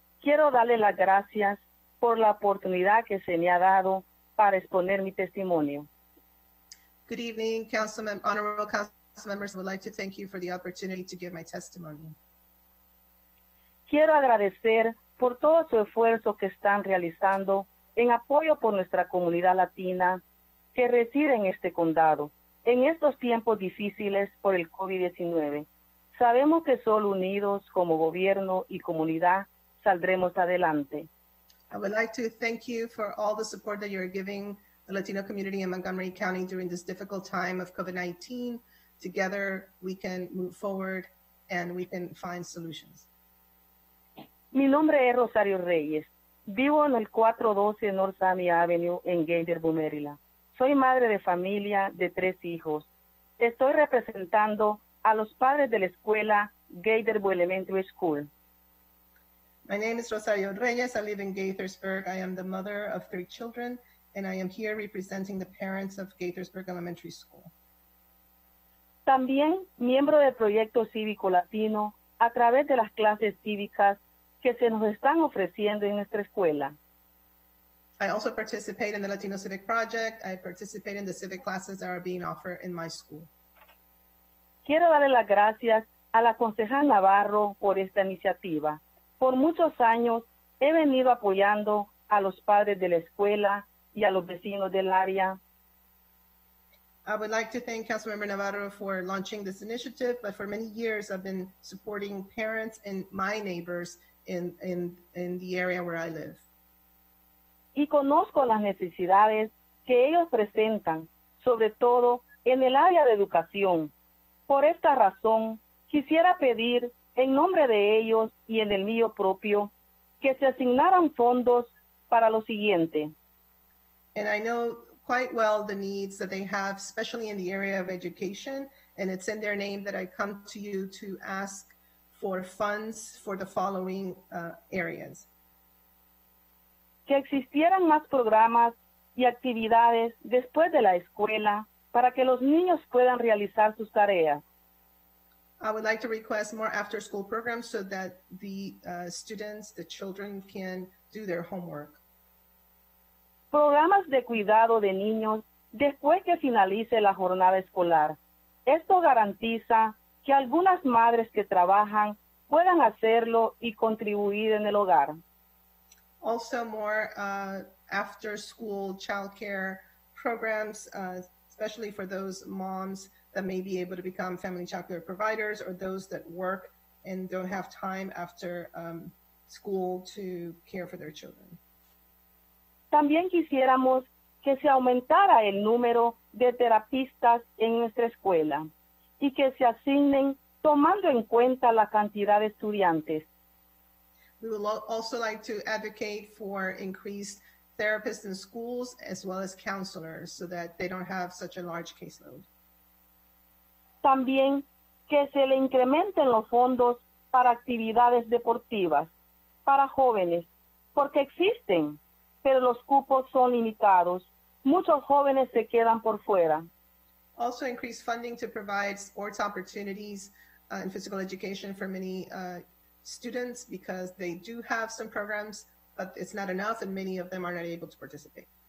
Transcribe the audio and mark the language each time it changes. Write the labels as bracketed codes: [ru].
[es] Quiero darle las gracias por la oportunidad que se me ha dado para exponer mi testimonio. [en] Good evening, honorable council members. I would like to thank you for the opportunity to give my testimony. [es] Quiero agradecer por todo su esfuerzo que están realizando en apoyo por nuestra comunidad latina que reside en este condado. En estos tiempos difíciles por el COVID-19, sabemos que solo unidos como gobierno y comunidad saldremos adelante. [en] I would like to thank you for all the support that you're giving the Latino community in Montgomery County during this difficult time of COVID-19. Together, we can move forward and we can find solutions. [es] Mi nombre es Rosario Reyes. Vivo en el 412 North Sammy Avenue en Gainesville, Maryland. Soy madre de familia de tres hijos. Estoy representando a los padres de la escuela Gainesville Elementary School. [en] My name is Rosario Reyes. I live in Gaithersburg. I am the mother of three children, and I am here representing the parents of Gaithersburg Elementary School. [es] También miembro del Proyecto Cívico Latino a través de las clases cívicas que se nos están ofreciendo en nuestra escuela. [en] I also participate in the Latino Civic Project. I participate in the civic classes that are being offered in my school. [es] Quiero darle las gracias a la concejal Navarro por esta iniciativa. Por muchos años he venido apoyando a los padres de la escuela y a los vecinos del área. [en] I would like to thank Councilmember Navarro for launching this initiative, but for many years I've been supporting parents and my neighbors in the area where I live. [es] Y conozco las necesidades que ellos presentan, sobre todo en el área de educación. Por esta razón, quisiera pedir en nombre de ellos y en el mío propio, que se asignaran fondos para lo siguiente. [en] And I know quite well the needs that they have, especially in the area of education, and it's in their name that I come to you to ask for funds for the following areas. [es] Que existieran más programas y actividades después de la escuela para que los niños puedan realizar sus tareas. [en] I would like to request more after school programs so that the students, the children can do their homework. [es] Programas de cuidado de niños después que finalice la jornada escolar. Esto garantiza que algunas madres que trabajan puedan hacerlo y contribuir en el hogar. [en] Also more after school child care programs, especially for those moms that may be able to become family childcare providers or those that work and don't have time after school to care for their children. [es] También quisiéramos que se aumentara el número de terapistas en nuestra escuela y que se asignen tomando en cuenta la cantidad de estudiantes. [en] We would also like to advocate for increased therapists in schools as well as counselors so that they don't have such a large caseload. [es] También que se le incrementen los fondos para actividades deportivas para jóvenes, porque existen, pero los cupos son limitados. Muchos jóvenes se quedan por fuera. [en] Also increase funding to provide sports opportunities and physical education for many students because they do have some programs, but it's not enough and many of them are not able to participate.